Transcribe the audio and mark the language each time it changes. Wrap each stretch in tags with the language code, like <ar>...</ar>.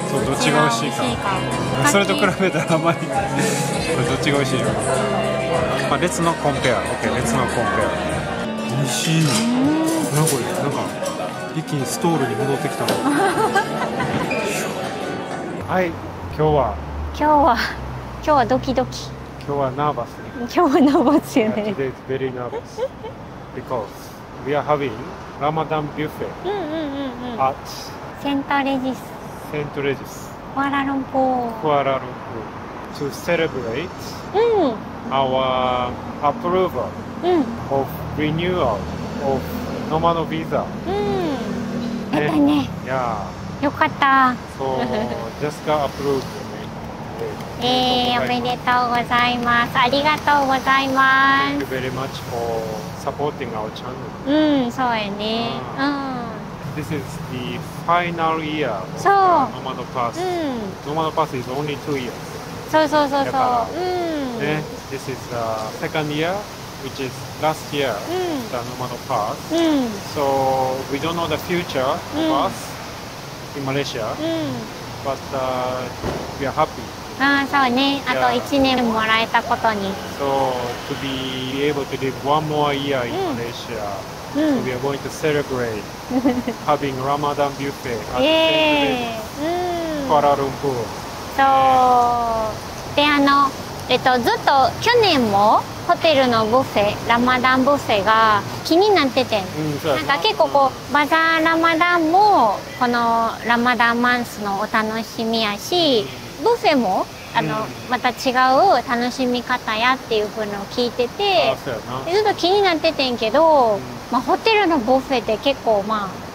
<ja>そう、どっちが美味しいか。それと比べたらあまり、どっちが美味しいか。まあ、列のコンペア。 OK、列のコンペア。美味しい。なんかこれ、なんか一気にストールに戻ってきたはい、今日は今日はドキドキ今日はナーバス今日はナーバスよね</ja> <en>Today is very nervous because we are having Ramadan buffet at</en> <ja>セントレジスクアラロンプーク</ja> <en>アラロンプー to celebrate our approval of renewal of</en> <ja>ノマのビザ。うん。やったね。いや。よかった。そう。ジェスカアプローブ、ね。おめでとうございます。ありがとうございます。</ja> <en>Thank you very much for supporting our channel.</en> <ja>うん、そうやね。</ja> <en>This is the final year of</en> <ja>ノマのパス。うん。ノマのパス</ja> <en>is only 2 years.</en> <ja>そうそうそうそう。うん。ね、</ja> <en>This is the second year. Which is last year, the Nomad Pass. So we don't know the future of us in Malaysia, but we are happy.</en> <ja>Ah, so ne, ato 1 年もらえたことに</ja> <en>So to be able to live one more year in Malaysia, so we are going to celebrate having Ramadan buffet at the Kuala Lumpur. So,</en> <ja>で、あの、ずっと去年もホテルのブッフェ、ラマダンブッフェが気になってて、なんか結構こうバザーラマダンもこのラマダンマンスのお楽しみやし、ブッフェもあのまた違う楽しみ方やっていう風のを聞いてて、ずっと気になっててんけど、まあホテルのブッフェって結構ま</ja>